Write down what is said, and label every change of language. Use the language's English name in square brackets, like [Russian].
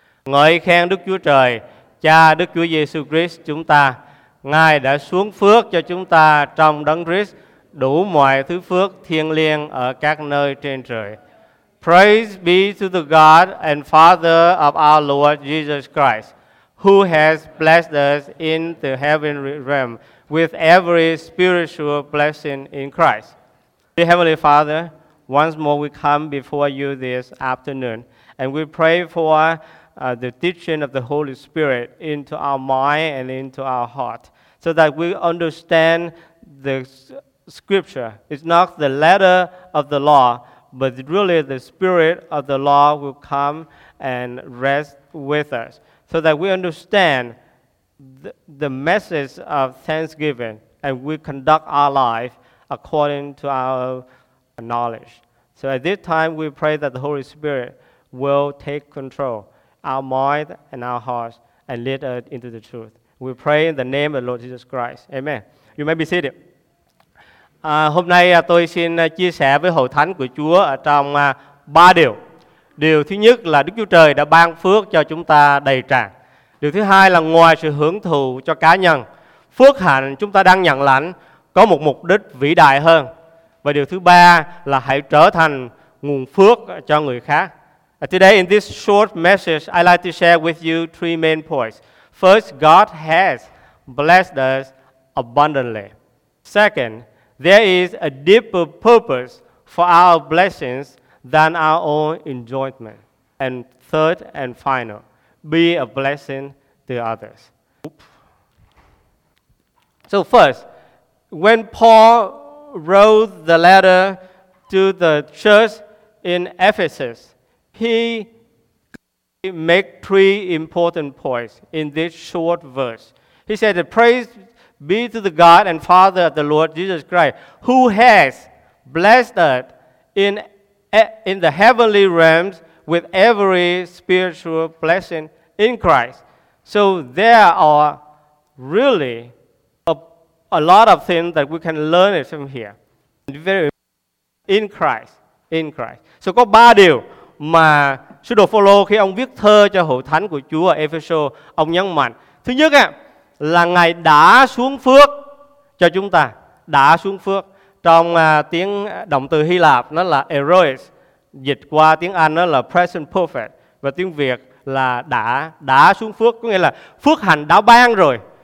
[Vietnamese] Ngợi khen Đức Chúa Trời, Cha Đức Chúa Giêsu Christ chúng ta. Ngài đã xuống phước cho chúng ta trong Đấng Christ đủ mọi thứ phước thiêng liêng ở các nơi trên trời. [English] Praise be to the God and Father of our Lord Jesus Christ, who has blessed us in the heavenly realm with every spiritual blessing in Christ. Dear Heavenly Father, once more we come before you this afternoon and we pray for the teaching of the Holy Spirit into our mind and into our heart so that we understand the scripture. It's not the letter of the law, but really the spirit of the law will come and rest with us so that we understand the message of Thanksgiving and we conduct our life according to our knowledge. So at this time, we pray that the Holy Spirit will take control our mind and our hearts and lead us into the truth. We pray in the name of the Lord Jesus Christ. Amen. You may be seated. [Vietnamese] Hôm nay tôi xin chia sẻ với Hội Thánh của Chúa ở trong ba điều. Điều thứ nhất là Đức Chúa Trời đã ban phước cho chúng ta đầy tràn. Điều thứ hai là ngoài sự hưởng thụ cho cá nhân, phước hạnh chúng ta đang nhận lãnh có một mục đích vĩ đại hơn. Và điều thứ ba là hãy trở thành nguồn phước cho người khác. [English] Today in this short message, I'd like to share with you three main points. First, God has blessed us abundantly. Second, there is a deeper purpose for our blessings than our own enjoyment. And third and final, be a blessing to others. So first, when Paul wrote the letter to the church in Ephesus, he make three important points in this short verse. He said, "Praise be to the God and Father of the Lord Jesus Christ, who has blessed us in the heavenly realms with every spiritual blessing in Christ." So there are really a lot of things that we can learn from here. Very in Christ, in Christ. [Vietnamese] So có ba điều mà sứ đồ Phaolô khi ông viết thơ cho hội thánh của Chúa ở Ephesos, ông nhấn mạnh. Thứ nhất là Ngài đã xuống phước cho chúng ta, đã xuống phước. Trong tiếng động từ Hy Lạp nó là eros, dịch qua tiếng Anh nó là present perfect, và tiếng Việt là đã xuống phước, có nghĩa là phước hạnh đã ban rồi.